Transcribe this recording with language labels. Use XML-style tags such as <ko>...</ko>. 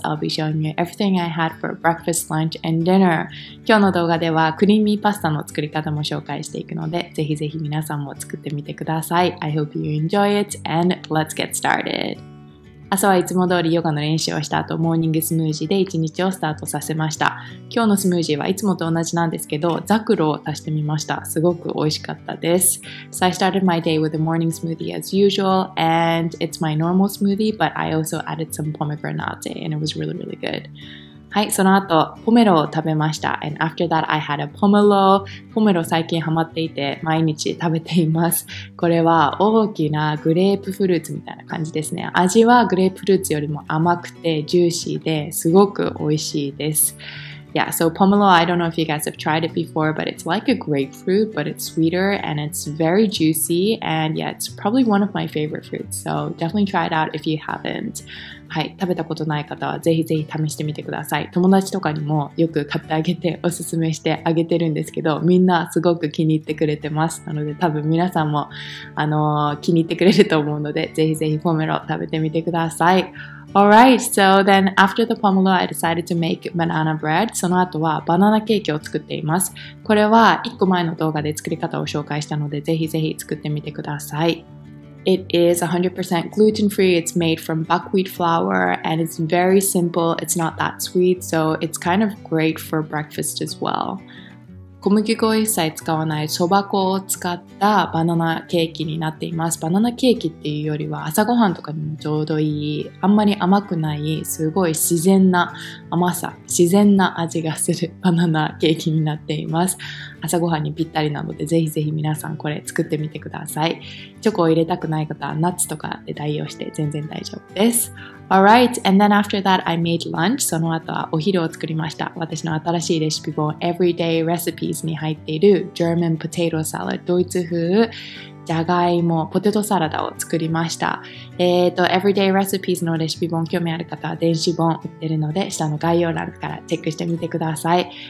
<en>I'll be showing you everything I had for breakfast, lunch and dinner.</en> <ja>今日の動画ではクリーミーパスタの作り方も紹介していくので、ぜひぜひ皆さんも作ってみてください。</ja> <en>I hope you enjoy it and let's get started.</en> <ja>朝はいつも通りヨガの練習をした後、モーニングスムージーで一日をスタートさせました。今日のスムージーはいつもと同じなんですけど、ザクロを足してみました。すごく美味しかったです。</ja> <en>So I started my day with a morning smoothie as usual, and it's my normal smoothie, but I also added some pomegranate, and it was really, really good.</en> <ja>はい、その後ポメロを食べました。</ja> <en>And after that, I had a pomelo.</en> <ja>ポメロ最近ハマっていて毎日食べています。これは大きなグレープフルーツみたいな感じですね。味はグレープフルーツよりも甘くてジューシーですごく美味しいです。</ja> <en>Yeah, so pomelo, I don't know if you guys have tried it before, but it's like a grapefruit, but it's sweeter and it's very juicy. And yeah, it's probably one of my favorite fruits. So definitely try it out if you haven't.</en> <ja>はい、食べたことない方はぜひぜひ試してみてください。友達とかにもよく買ってあげておすすめしてあげてるんですけど、みんなすごく気に入ってくれてます。なので多分皆さんも気に入ってくれると思うので、ぜひぜひポメロ食べてみてください。</ja> <en>Alright, so then after the pomelo, I decided to make banana bread.</en> <ja>その後はバナナケーキを作っています。これは1個前の動画で作り方を紹介したので、ぜひぜひ作ってみてください。</ja> <en>It is 100% gluten-free, it's made from buckwheat flour, and it's very simple, it's not that sweet, so it's kind of great for breakfast as well.</en> <ja>小麦粉を一切使わないそば粉を使ったバナナケーキになっています。バナナケーキっていうよりは朝ごはんとかにもちょうどいい、あんまり甘くない、すごい自然な甘さ、自然な味がするバナナケーキになっています。朝ごはんにぴったりなので、ぜひぜひ皆さんこれ作ってみてください。チョコを入れたくない方はナッツとかで代用して全然大丈夫です。</ja> <en>Alright, and then after that, I made lunch.</en> <ja>その後はお昼を作りました。私の新しいレシピ本、Everyday Recipes に入っている German Potato Salad、ドイツ風じゃがいもポテトサラダを作りました。 Everyday Recipes のレシピ本、興味ある方は電子本売ってるので、下の概要欄からチェックしてみてください。</ja>